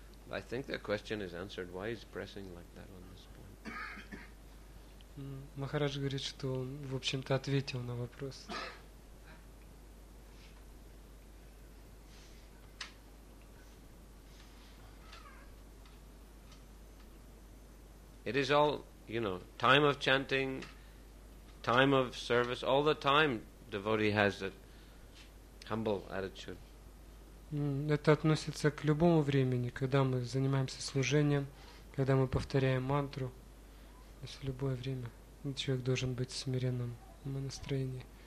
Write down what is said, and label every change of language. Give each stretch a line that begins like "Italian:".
English: I think the question is answered. Why is pressing like that on this point?
Russian: Махарадж говорит, что он, в общем-то, ответил на вопрос.
English: It is all, you know, time of chanting, time of service, all the time devotee has a humble attitude.
Russian: Это относится к любому времени, когда мы занимаемся служением, когда мы повторяем мантру. То есть в любое время человек должен быть в смиренном настроении.